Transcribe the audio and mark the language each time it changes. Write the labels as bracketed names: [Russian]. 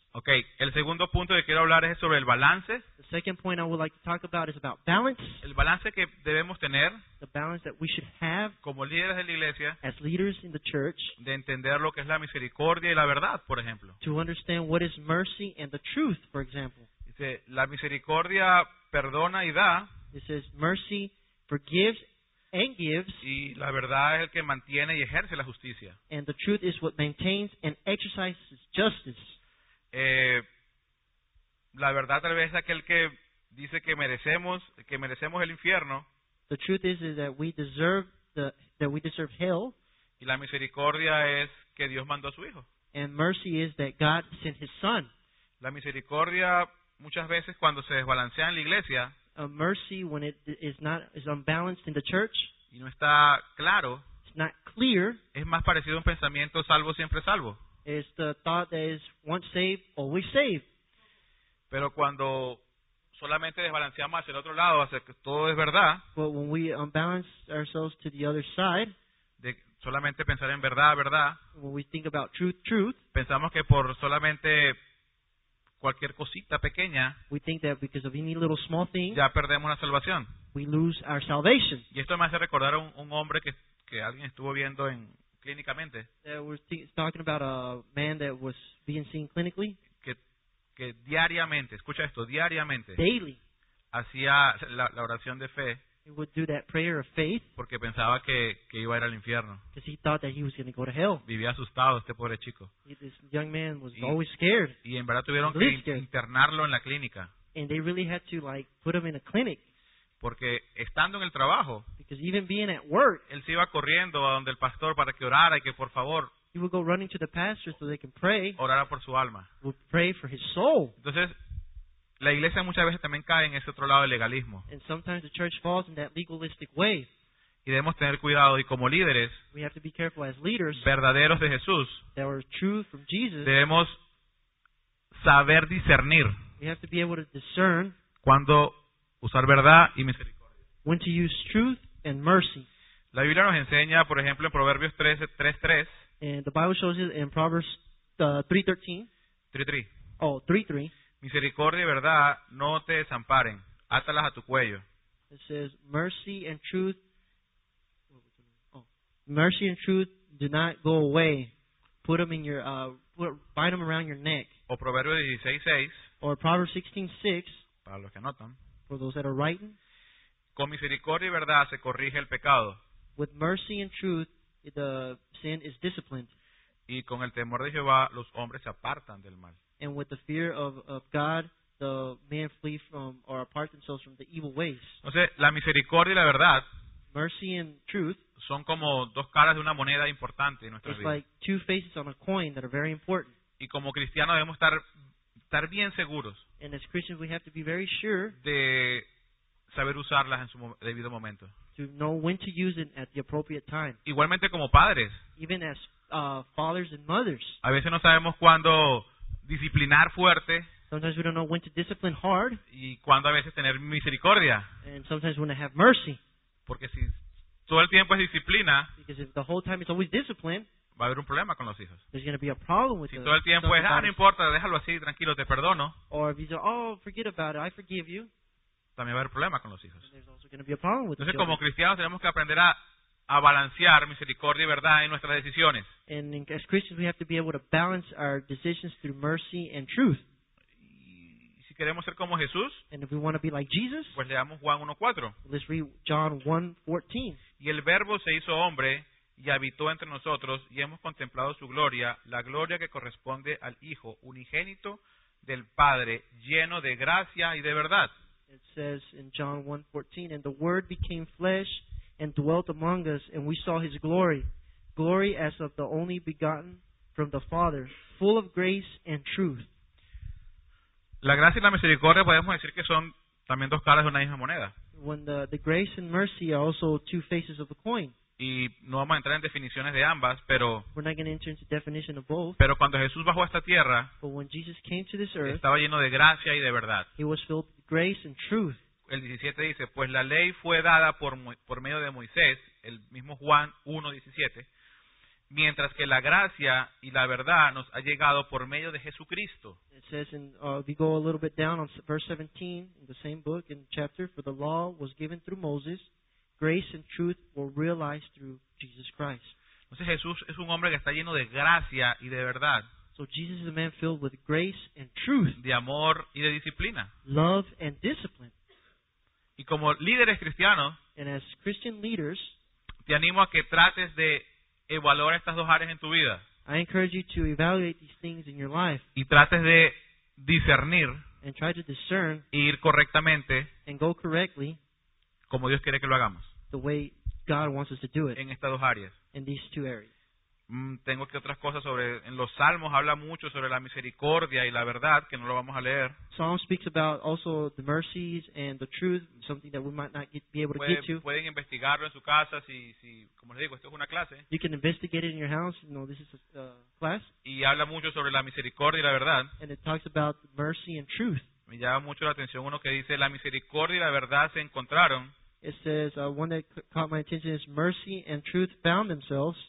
[Spanish] Okay, el segundo punto que quiero hablar es sobre el balance. [English] The second point I would like to talk about is about balance. [Spanish] El balance que debemos tener. [English] The balance that we should have. [Spanish] Como líderes de la iglesia. [English] As leaders in the church. [Spanish] De entender lo que es la misericordia y la verdad, por ejemplo. [English] To understand what is mercy and the truth, for example. [Spanish] Dice, la misericordia perdona y da. [English] It says, mercy forgives and gives. [Spanish] Y la verdad es el que mantiene y ejerce la justicia. [English] And the truth is what maintains and exercises justice. [Spanish] La verdad tal vez es aquel que dice que merecemos el infierno. [English] The truth is that we deserve hell. [Spanish] Y la misericordia es que Dios mandó a su hijo. [English] And mercy is that God sent his son. [Spanish] La misericordia muchas veces cuando se desbalancea en la iglesia, [English] mercy when it is unbalanced in the church, [Spanish] y no está claro, [English] it's not clear, [Spanish] es más parecido a un pensamiento salvo siempre salvo. [English] It's the thought that is once saved, always saved. [Spanish] Pero cuando solamente desbalanceamos hacia el otro lado, hacia que todo es verdad, [English] but when we unbalance ourselves to the other side, [Spanish] de solamente pensar en verdad, verdad, [English] when we think about truth, truth, [Spanish] pensamos que por solamente cualquier cosita pequeña, [English] we think that because of any little small thing, [Spanish] ya perdemos la salvación. [English] We lose our salvation. [Spanish] Y esto me hace recordar a un hombre que alguien estuvo viendo en clínicamente. [English] Talking about a man that was being seen clinically. [Spanish] Que diariamente, escucha esto, diariamente. [English] Daily. [Spanish] Hacía la oración de fe. [English] He would do that prayer of faith. [Spanish] Porque pensaba que iba a ir al infierno. [English] Because he thought that he was going to go to hell. [Spanish] Vivía asustado este pobre chico. [English] This young man was always scared. [Spanish] Y en verdad tuvieron que internarlo en la clínica. [English] And they really had to like put him in a clinic. [Spanish] Porque estando en el trabajo, [English] because even being at work, [Spanish] él se iba corriendo a donde el pastor para que orara y que por favor, [English] he would go running to the pastor so they can pray, [Spanish] orara por su alma, [English] would pray for his soul. [Spanish] Entonces, la iglesia muchas veces también cae en ese otro lado del legalismo. [English] And sometimes the church falls in that legalistic way. [Spanish] Y debemos tener cuidado y como líderes, [English] we have to be careful as leaders, [Spanish] verdaderos de Jesús, [English] that were true from Jesus, [Spanish] debemos saber discernir. [English] We have to be able to discern [Spanish] cuando usar verdad y misericordia. [English] When to use truth and mercy. [Spanish] La Biblia nos enseña, por ejemplo, en Proverbios 3:3. [English] And the Bible shows it in Proverbs 3:3. [Spanish] Misericordia y verdad no te desamparen. Átalas a tu cuello. [English] It says, mercy and truth. Mercy and truth do not go away. Put them in your, bind them around your neck. [Spanish] O Proverbios 16:6. [English] Or Proverbs 16:6. [Spanish] Para los que anotan. [English] For those that are writing, [Spanish] con misericordia y verdad se corrige el pecado. [English] With mercy and truth, the sin is disciplined. [Spanish] Y con el temor de Jehová, los hombres se apartan del mal. [English] And with the fear of God, the men flee from or apart themselves from the evil ways. [Spanish] Entonces, la misericordia y la verdad, [English] mercy and truth, [Spanish] son como dos caras de una moneda importante en nuestra [English] vida. It's like two faces on a coin that are very important. [Spanish] Y como cristianos debemos estar bien seguros. [English] And as Christians, we have to be very sure [Spanish] de saber usarlas en su debido momento. [English] To know when to use it at the appropriate time. [Spanish] Igualmente como padres. [English] Even as fathers and mothers. [Spanish] A veces no sabemos cuándo disciplinar fuerte. [English] Sometimes we don't know when to discipline hard. [Spanish] Y cuándo a veces tener misericordia. [English] And sometimes when to have mercy. [Spanish] Porque si todo el tiempo es disciplina, [English] because if the whole time it's always discipline, [Spanish] va a haber un problema con los hijos. [English] There's going to be a problem with [Spanish] si todo el tiempo es, no importa, déjalo así, tranquilo, te perdono. [English] Or if you say, oh, forget about it, I forgive you. [Spanish] También va a haber problema con los hijos. Entonces, como cristianos tenemos que aprender a balancear misericordia y verdad en nuestras decisiones. [English] And as Christians, we have to be able to balance our decisions through mercy and truth. [Spanish] Y si queremos ser como Jesús, [English] and if we want to be like Jesus, [Spanish] pues leamos Juan 1:4. [English] Let's read John 1:14. [Spanish] Y el verbo se hizo hombre y habitó entre nosotros, y hemos contemplado su gloria, la gloria que corresponde al Hijo unigénito del Padre, lleno de gracia y de verdad. [English] It says in John 1:14, and the Word became flesh and dwelt among us, and we saw his glory, glory as of the only begotten from the Father, full of grace and truth. [Spanish] La gracia y la misericordia podemos decir que son también dos caras de una misma moneda. [English] When the grace and mercy are also two faces of a coin. [Spanish] Y no vamos a entrar en definiciones de ambas, pero [English] we're not going to enter into definition of both. [Spanish] Pero cuando Jesús bajó a esta tierra, [English] but when Jesus came to this earth, [Spanish] estaba lleno de gracia y de verdad. [English] He was filled with grace and truth. [Spanish] El 17 dice, pues la ley fue dada por medio de Moisés, el mismo Juan 1:17, mientras que la gracia y la verdad nos ha llegado por medio de Jesucristo. [English] It says, in, if you go a little bit down on verse 17, in the same book, in the chapter, for the law was given through Moses, grace and truth were realized through Jesus Christ. [Spanish] Entonces Jesús es un hombre que está lleno de gracia y de verdad. [English] So Jesus is a man filled with grace and truth. [Spanish] De amor y de disciplina. [English] Love and discipline. [Spanish] Y como líderes cristianos, [English] and as Christian leaders, [Spanish] te animo a que trates de evaluar estas dos áreas en tu vida. [English] I encourage you to evaluate these things in your life. [Spanish] Y trates de discernir, [English] and try to discern, [Spanish] y ir correctamente, [English] and go correctly, [Spanish] como Dios quiere que lo hagamos, [English] the way God wants us to do it, [Spanish] en estas dos áreas. [English] In these two areas. [Spanish] Tengo que otras cosas sobre, en los Salmos habla mucho sobre la misericordia y la verdad, que no lo vamos a leer. [English] Psalm speaks about also the mercies and the truth, something that we might not get, be able to get to. [Spanish] Pueden investigarlo en su casa, si como les digo, esto es una clase. [English] You can investigate it in your house, you know, this is a class. [Spanish] Y habla mucho sobre la misericordia y la verdad. [English] And it talks about mercy and truth. [Spanish] Me llama mucho la atención uno que dice, la misericordia y la verdad se encontraron. [English] It says, one that caught my attention is mercy and truth found themselves.